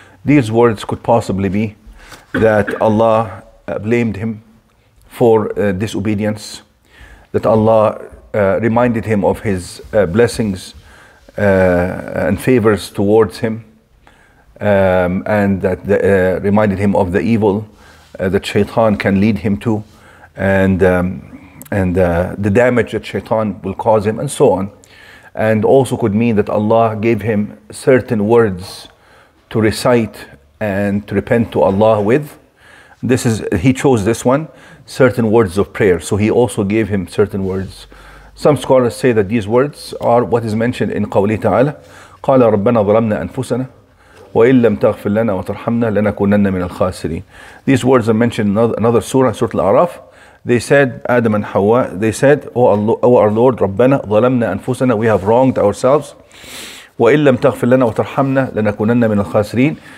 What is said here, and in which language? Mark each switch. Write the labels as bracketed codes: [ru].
[en] These words could possibly be that Allah blamed him for disobedience, that Allah reminded him of his blessings and favors towards him, and that reminded him of the evil that Shaitan can lead him to, and the damage that Shaitan will cause him, and so on. And also could mean that Allah gave him certain words to recite and to repent to Allah with. This is, he chose this one, certain words of prayer. So he also gave him certain words. Some scholars say that these words are what is mentioned in [ar] قوله تعالى, قال ربنا ظلمنا أنفسنا وإن لم تغفر لنا وترحمنا لنكونن من الخاسرين. [en] These words are mentioned in another surah, Surah Al-A'raf. They said, Adam and Hawa, they said, our Lord, [ar] ربنا ظلمنا أنفسنا, [en] we have wronged ourselves. [ar] وإن لم تغفر لنا وترحمنا لنكونن من الخاسرين.